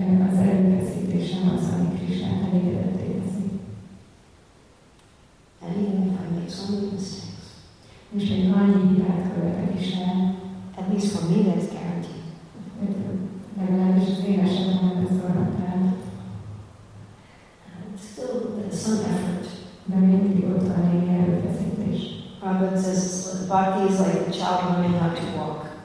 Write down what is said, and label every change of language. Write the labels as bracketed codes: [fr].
[hu] az erőfeszítésem az, ami Krisnát elégedetté teszi. [en] And even if I make so many mistakes. [hu] És egy annyi hibát követek is el. [en] At least for me that's guaranteed. [hu] Legalábbis az én esetemben ez garantált. [en] Still there's some effort. [hu] De mindig ott van egy erőfeszítés. [en] Prabhupada says, bhakti is like a child learning how to walk.